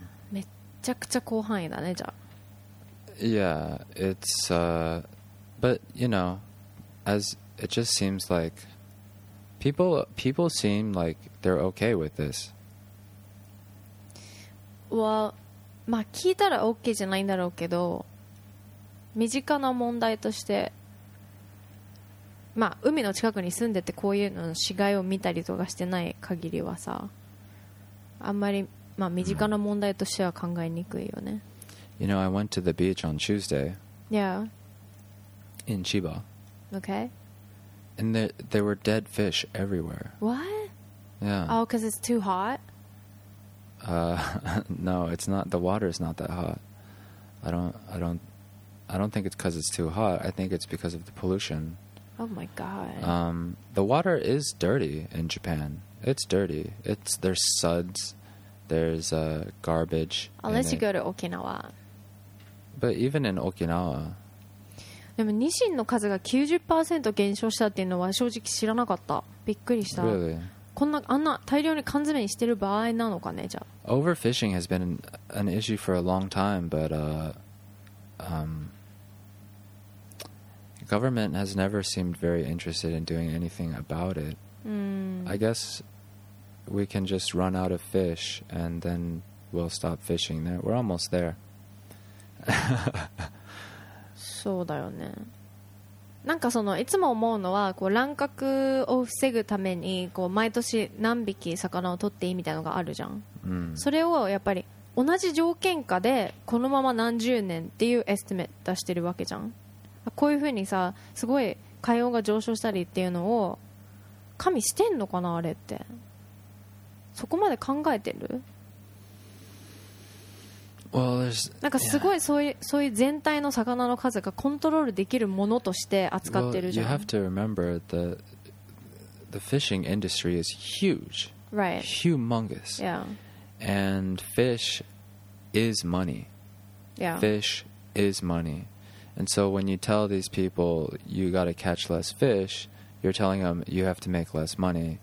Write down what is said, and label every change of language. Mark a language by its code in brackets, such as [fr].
[ja] めちゃくちゃ広範囲だねじゃあ。 [en] Yeah, it's but you know, as it just seems like people seem like they're okay with this. [ja] Well, まあ聞いたら OK じゃないんだろうけど、身近な問題として、まあ海の近くに住んでてこういうのの死骸を見たりとかしてない限りはさ、あんまり、まあ、身近な問題としては考えにくいよね。 [en] You know, I went to the beach on Tuesday. Yeah. In Chiba. Okay. And there were dead fish everywhere. What? Yeah. Oh, because it's too hot? No, it's not. The water is not that hot. I don't think it's because it's too hot. I think it's because of the pollution. Oh my god. The water is dirty in Japan. It's dirty. There's suds. There's garbage. Unless you go to Okinawa. But even in Okinawa. [ja] でもニシンの数が 90% 減少したっていうのは正直知らなかった。びっくりした。 [en] Really? [ja] こんなあんな大量に缶詰にしてる場合なのかねじゃあ。 [en] Overfishing has been an issue for a long time, but government has never seemed very interested in doing anything about it. I guess we can just run out of fish and then we'll stop fishing there. We're almost there. [ja] そうだよね。なんかそのいつも思うのは、こう乱獲を防ぐためにこう毎年何匹魚を取っていいみたいのがあるじゃん、それをやっぱり同じ条件下でこのまま何十年っていうエスティメット出してるわけじゃん。こういう風にさ、すごい海温が上昇したりっていうのを加味してんのかな、あれって。そこまで考えてる？ [en] well, [ja] なんかすごい、そういう全体の魚の数がコントロールできるものとして扱ってるじゃん。 [en] well, you have to remember that the fishing industry is huge. Right. Humongous. Yeah. And fish is money. Yeah. Fish is money. And so when you tell these people you got to catch less fish, you're telling them you have to make less money.